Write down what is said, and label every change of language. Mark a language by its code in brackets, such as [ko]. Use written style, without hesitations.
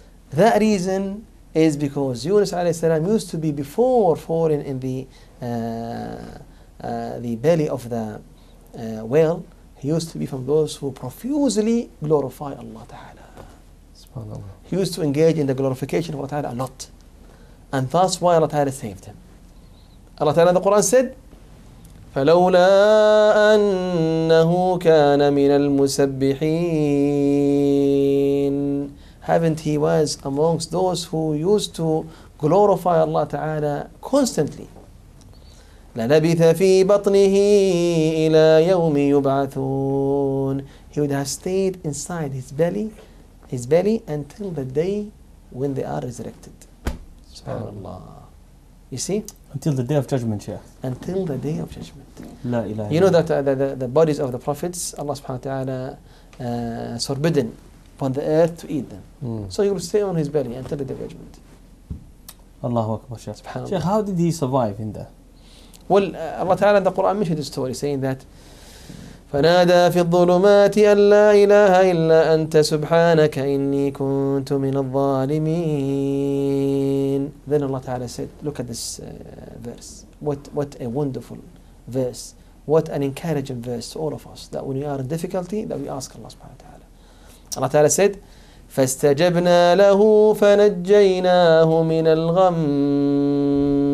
[en] That reason is because Yunus alayhi salam used to be before falling in the belly of the whale, he used to be from those who profusely glorify Allah Ta'ala. SubhanAllah. He used to engage in the glorification of Allah Ta'ala a lot. And that's why Allah Ta'ala saved him. Allah Ta'ala in the Quran said, [ar] فلولا أنه كان من المسبحين. [en] Haven't he was amongst those who used to glorify Allah Ta'ala constantly. [ar] للبث في بطنه إلى يوم يبعثون. [en] He would have stayed inside his belly until the day when they are resurrected. SubhanAllah. You see? Until the day of judgment, yeah. Until the day of judgment. [ar] La ilaha. [en] You know that the bodies of the prophets, Allah subhanahu wa ta'ala, is forbidden upon the earth to eat them. So he will stay on his belly until the day of judgment. Allahu Akbar, Shaykh. SubhanAllah. Shaykh, how did he survive in there? Well, Allah ta'ala in the Quran mentioned this story saying that [ar] فنادى في الظلمات أن لا إله إلا أنت سبحانك إني كنت من الظالمين. [en] Then Allah Ta'ala said, look at this verse. What a wonderful verse. What an encouraging verse to all of us. That when we are in difficulty, that we ask Allah Subhanahu Wa Ta'ala. Allah Ta'ala said, [ar] فاستجبنا له فنجيناه من الغم.